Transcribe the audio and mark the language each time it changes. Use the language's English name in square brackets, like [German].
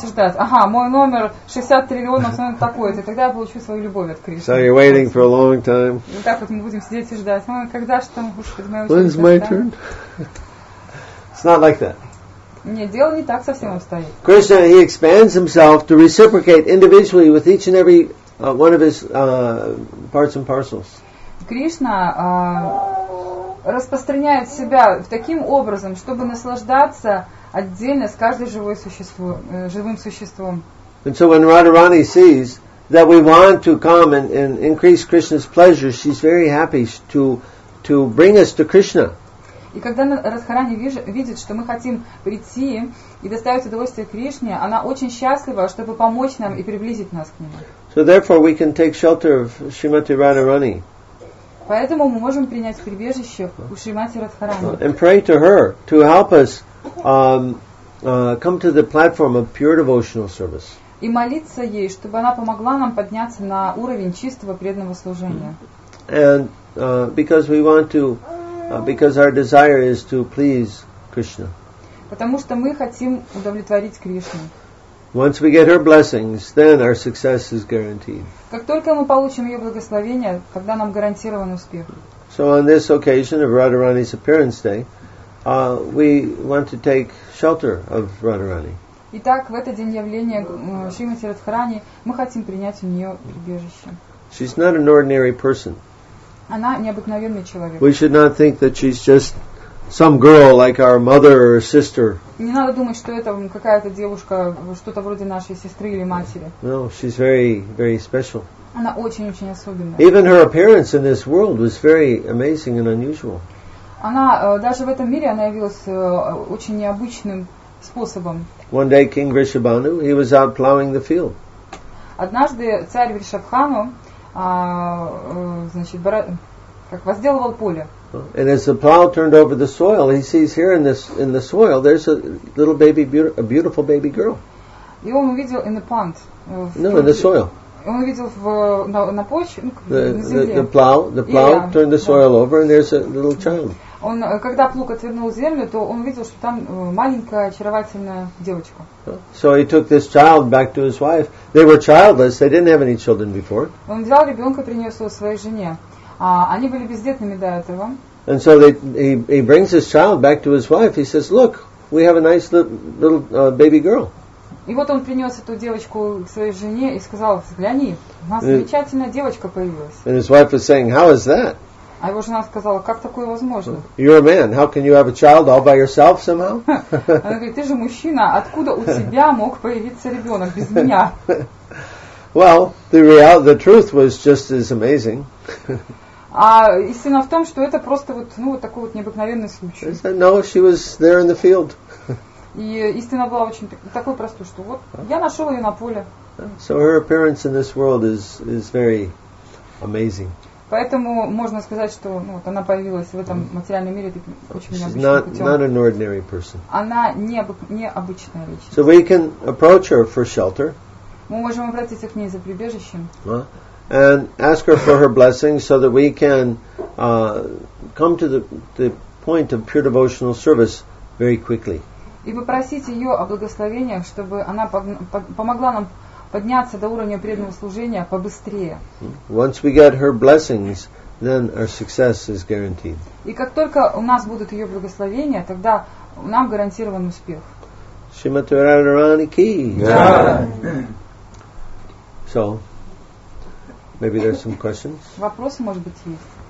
[Russian] начинаете ждать, ага, мой номер 60 триллионов, он такой-то, тогда я получу свою любовь от Кришны. [English] So you're waiting for a long time. [Russian] И так вот мы будем сидеть и ждать. Ну, когда же там, господи, моя очередь? [English] When's my turn? It's not like that. [Russian] Нет, дело не так совсем обстоит. [English] Krishna, he expands himself to reciprocate individually with each and every one of his parts and parcels. [Russian] Кришна распространяет себя таким образом, чтобы наслаждаться отдельно с каждым живым существом. [English] And so when Radharani sees that we want to come and increase Krishna's pleasure, she's very happy to bring us to Krishna. [Russian] И когда Радхарани видит, что мы хотим прийти и доставить удовольствие Кришне, она очень счастлива, чтобы помочь нам и приблизить нас к Нему. [English] So therefore we can take shelter of Srimati Radharani. [Russian] Поэтому мы можем принять прибежище у Шримати Радхарани. [English] And pray to her to help us come to the platform of pure devotional service. [Russian] И молиться ей, чтобы она помогла нам подняться на уровень чистого преданного служения. [English] And because we want to because our desire is to please Krishna. [Russian] Потому что мы хотим удовлетворить Кришну. [English] Once we get her blessings, then our success is guaranteed. [Russian] Как только мы получим ее благословение, тогда нам гарантирован успех. [English] So on this occasion of Radharani's appearance day, we want to take shelter of Radharani. [Russian] Итак, в этот день явления Шримати Радхарани мы хотим принять у нее прибежище. [English] She's not an ordinary person. [Russian] Она необыкновенный человек. [English] We should not think that she's just some girl like our mother or sister. [Russian] Не надо думать, что это какая-то девушка, что-то вроде нашей сестры или матери. [English] No, she's very, very special. [Russian] Она очень-очень особенная. [English] Even her appearance in this world was very amazing and unusual. [Russian] Она даже в этом мире она явилась очень необычным способом. [English] One day King Vrishabhanu, he was out plowing the field. [Russian] Однажды царь Вришабхану, значит, как возделывал поле. [English] And as the plow turned over the soil, he sees here in the soil there's a little baby, a beautiful baby girl. [Russian] И он увидел [English] in the plant. No, in the soil. [Russian] Он увидел на почве, на земле. [English] The plow yeah, turned the soil yeah. over, and there's a little child. [Russian] Он, когда плуг отвернул землю, то он увидел, что там маленькая очаровательная девочка. [English] So he took this child back to his wife. They were childless. They didn't have any children before. [Russian] Он взял ребенка, принес его своей жене. Они были бездетными до этого. [English] And so he brings this child back to his wife. He says, "Look, we have a nice little baby girl." [Russian] И вот он принес эту девочку к своей жене и сказал, взгляни, у нас замечательная девочка появилась. [English] And his wife was saying, how is that? [Russian] А его жена сказала, как такое возможно? [English] You're a man, how can you have a child all by yourself somehow? [Russian] Она говорит, ты же мужчина, откуда у тебя мог появиться ребенок без меня? [English] Well, the truth was just as amazing. [Russian] А истина в том, что это просто вот, ну, вот такой вот необыкновенный случай. [English] She said, no, she was there in the field. [Russian] И истина была очень такой простой, что вот я нашел ее на поле. [English] So her appearance in this world is very amazing. [Russian] Поэтому можно сказать, что ну, вот она появилась в этом материальном мире таким очень необычным путем. [English] Not an ordinary person. [Russian] Она необычная личность. [English] So we can approach her for shelter. [Russian] Мы можем обратиться к ней за прибежищем. [English] And ask her for her blessings so that we can come to the point of pure devotional service very quickly. [Russian] И попросить ее о благословениях, чтобы она помогла нам подняться до уровня преданного служения побыстрее. [English] Once we get her blessings, then our success is guaranteed. [Russian] И как только у нас будут ее благословения, тогда нам гарантирован успех. [English] Shrimati Radharani Ki. So, maybe there's some questions. [Russian] Вопросы, может быть, есть?